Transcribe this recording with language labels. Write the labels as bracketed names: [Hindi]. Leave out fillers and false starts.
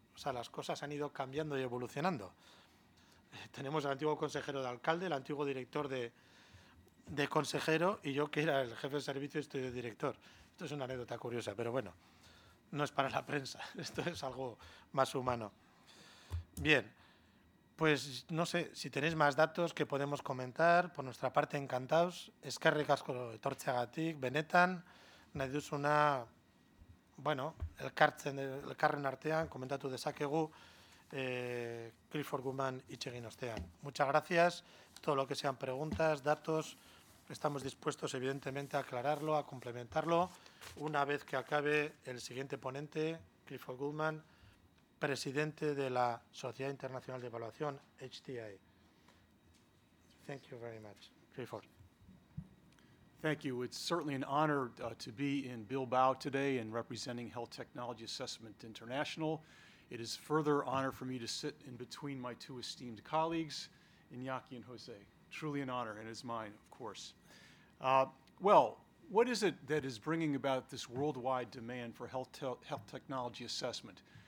[Spanish] O sea, las cosas han ido cambiando y evolucionando. Tenemos al antiguo consejero de alcalde, el antiguo director de consejero y yo que era el jefe de servicio y estoy de director. Esto es una anécdota curiosa, pero bueno, no es para la prensa, esto es algo más humano. Bien, pues no sé si tenéis más datos que podemos comentar. Por nuestra parte, encantados. [Basque] Eskerrik asko etortzeagatik, benetan, nahi duzuna, bueno, elkarren artean, komentatu dezakegu, Clifford Guman itxegin ostean. [Spanish] Muchas gracias, todo lo que sean preguntas, datos, estamos dispuestos evidentemente a aclararlo, a complementarlo. Una vez que acabe el siguiente ponente, Clifford Guman, presidente de la Sociedad Internacional de Evaluación, HTI. [English] Thank you very much. Clifford. Thank you. It's certainly an honor to be in Bilbao today and representing Health Technology Assessment International. It is further honor for me to sit in between my two esteemed colleagues, Iñaki and Jose. Truly an honor, and it's mine, of course. Well, what is it that is bringing about this worldwide demand for health technology assessment?